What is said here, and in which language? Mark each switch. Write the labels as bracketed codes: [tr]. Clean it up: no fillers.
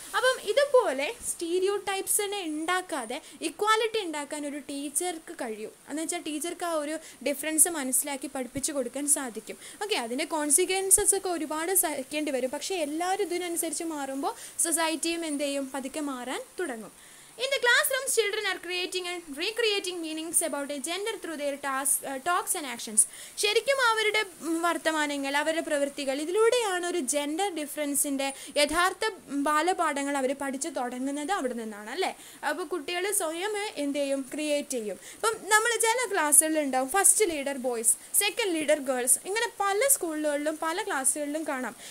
[ml] അപ്പം ഇതുപോലെ സ്റ്റീരിയോ ടൈപ്സിനെ ഉണ്ടാക്കാതെ ഇക്വാലിറ്റി ഉണ്ടാക്കാൻ ഒരു ടീച്ചർക്ക് കഴിയും. എന്ന് വെച്ചാൽ ടീച്ചർക്ക് ആ ഒരു ഡിഫറൻസ് മനസ്സിലാക്കി പഠിപ്പിച്ച് കൊടുക്കാൻ സാധിക്കും. ഓക്കെ, അതിൻ്റെ കോൺസിക്വൻസസ് ഒക്കെ ഒരുപാട് സഹിക്കേണ്ടി വരും. പക്ഷേ എല്ലാവരും ഇതിനനുസരിച്ച് മാറുമ്പോൾ സൊസൈറ്റിയും എന്ത് ചെയ്യും, പതുക്കെ മാറാൻ തുടങ്ങും. [en] In the classrooms, children are creating and recreating meanings about a gender through their tasks, talks and actions. [ml] ശരിക്കും അവരുടെ വർത്തമാനങ്ങൾ, അവരുടെ പ്രവൃത്തികൾ, ഇതിലൂടെയാണ് ഒരു ജെൻഡർ ഡിഫറൻസിൻ്റെ യഥാർത്ഥ ബാലപാഠങ്ങൾ അവർ പഠിച്ച് തുടങ്ങുന്നത് അവിടെ നിന്നാണ് അല്ലേ. അപ്പോൾ കുട്ടികൾ സ്വയം എന്ത് ചെയ്യും, ക്രിയേറ്റ് ചെയ്യും. ഇപ്പം നമ്മൾ ചില ക്ലാസ്സുകളിലുണ്ടാവും first leader boys, second leader girls, ഇങ്ങനെ പല സ്കൂളുകളിലും പല ക്ലാസ്സുകളിലും കാണാം.